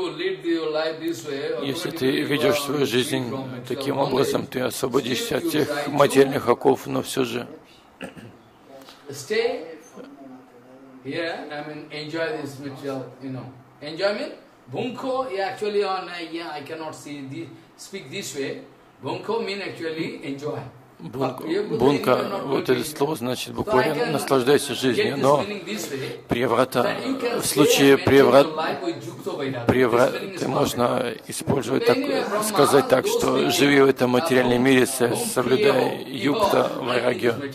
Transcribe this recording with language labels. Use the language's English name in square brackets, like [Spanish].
[Russian] Если ты ведешь свою жизнь таким образом, ты освободишься от тех материальных оков, но все же... [English] Yeah, I mean enjoy this material, you know. Enjoyment, bhunkho. Yeah, actually, on yeah, I cannot see this, speak this way. Bhunkho mean actually enjoy. [Russian] Бунка, вот это слово значит буквально наслаждайся жизнью, но преврата, в случае преврата можно использовать так, сказать так, что живи в этом материальном мире, соблюдая юкта вайрагью.